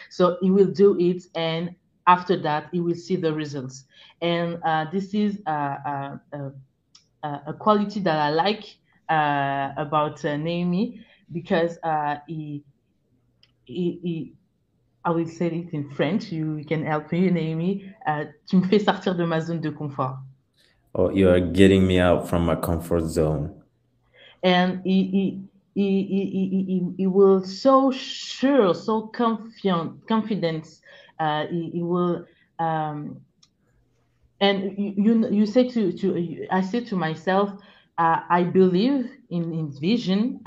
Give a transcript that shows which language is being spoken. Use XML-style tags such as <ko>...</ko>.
<en>So he will do it, and after that, he will see the results. And this is a quality that I like about Naomi, because he I will say it in French. You can help me, Naomi.</en> <fr>Tu me fais sortir de ma zone de confort.</fr> <en>Oh, you are getting me out from my comfort zone. And he will so sure, so confident. He will, and you say to I say to myself, I believe in vision.</en>